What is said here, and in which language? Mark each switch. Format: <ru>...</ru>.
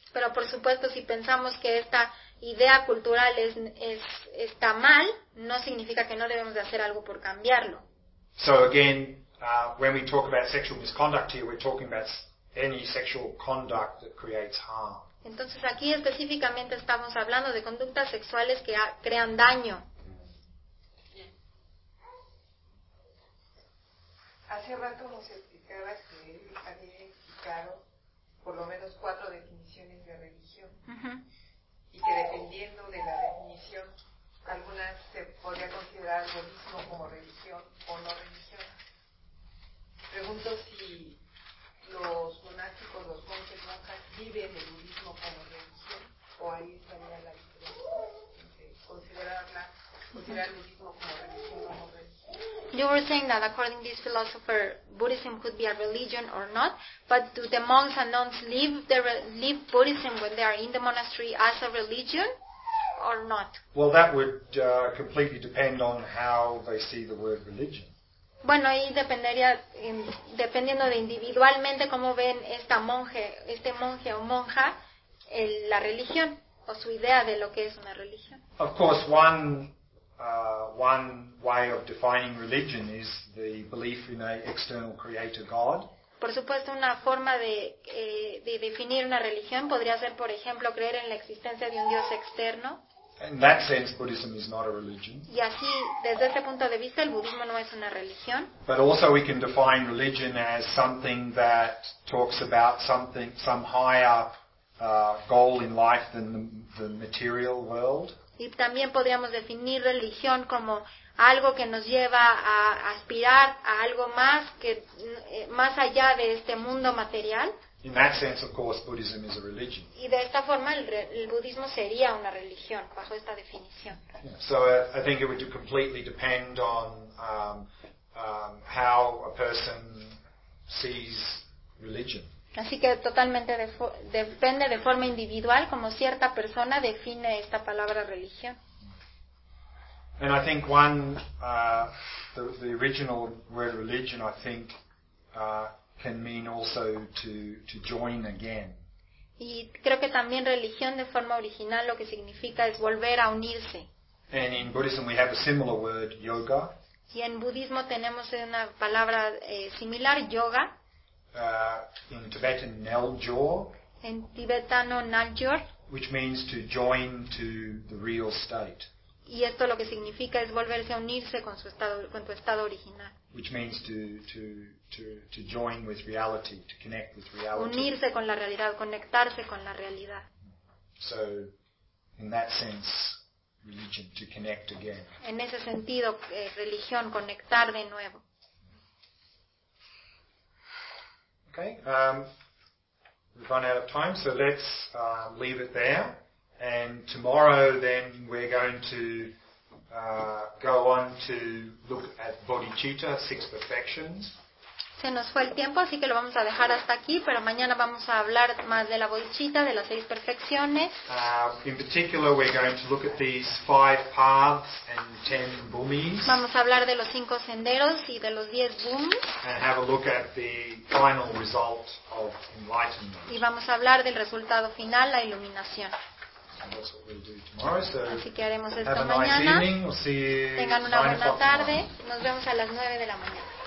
<es>Pero por supuesto, si pensamos que esta idea cultural está mal, no significa que no debemos de hacer algo por cambiarlo.</es> <en>So again, when we talk about sexual misconduct here, we're talking about any sexual conduct that creates harm.</en> <es>Entonces aquí específicamente estamos hablando de conductas sexuales que crean daño. Hace rato nos explicabas que había explicado por lo menos 4 definiciones de religión. Uh-huh. Y que dependiendo de la definición, algunas se podría considerar lo mismo como religión o no religión. Pregunto si los monásticos, los monjes, monjas, viven el budismo como religión, o ahí estaría la diferencia, considerar el budismo como religión o no religión.</es> <en>You were saying that according to this philosopher, Buddhism could be a religion or not, but do the monks and nuns leave Buddhism when they are in the monastery as a religion or not? Well, that would completely depend on how they see the word religion.</en> <es>Bueno, ahí dependería, dependiendo de individualmente cómo ven este monje o monja, la religión o su idea de lo que es una religión.</es> <en>Of course, one way of defining religion is the belief in an external creator God.</en> <es>Por supuesto, una forma de definir una religión podría ser, por ejemplo, creer en la existencia de un Dios externo.</es> <en>In that sense, Buddhism is not a religion.</en> <es>Y así, desde ese punto de vista, el budismo no es una religión.</es> <en>But also we can define religion as something that talks about some higher goal in life than the material world.</en> <es>Y también podríamos definir religión como algo que nos lleva a aspirar a algo más que más allá de este mundo material.</es> <en>In that sense, of course, Buddhism is a religion.</en> <es>Y de esta forma el budismo sería una religión bajo esta definición.</es> <en>Yeah. So I think it would completely depend on how a person sees religion.</en> <es>Así que totalmente depende de forma individual como cierta persona define esta palabra religión.</es> <en>And I think one the original word religion, I think, can mean also to join again.</en> <es>Y creo que también religión de forma original lo que significa es volver a unirse.</es> <en>And in Buddhism we have a similar word, yoga.</en> <es>Y en budismo tenemos una palabra similar, yoga.</es> <en>In Tibetan, naljor.</en> <es>En tibetano, naljor.</es> <en>Which means to join to the real state.</en> <es>Y esto lo que significa es volverse a unirse con su estado, con tu estado original.</es> <en>Which means to join with reality, to connect with reality.</en> <es>Unirse con la realidad, conectarse con la realidad.</es> <en>So, in that sense, religion, to connect again.</en> <es>En ese sentido, religión, conectar de nuevo.</es> <en>Okay, we've run out of time, so let's leave it there. And tomorrow then we're going to go on to look at bodhicitta, 6 perfections.</en> <es>Se nos fue el tiempo, así que lo vamos a dejar hasta aquí, pero mañana vamos a hablar más de la bodhicitta, de las 6 perfecciones.</es> <en>In particular we're going to look at these 5 paths and 10 bhumis.</en> <es>Vamos a hablar de los 5 senderos y de los 10 bhumis.</es> <en>And have a look at the final result of enlightenment.</en> <es>Y vamos a hablar del resultado final, la iluminación.</es> <en>That's what we'll do tomorrow, so</en> <es>así que haremos esto</es> <en>have a nice</en> <es>mañana.</es> <en>Evening. We'll see you</en> <es>tengan una buena tarde. Nos vemos a las 9 de la mañana.</es>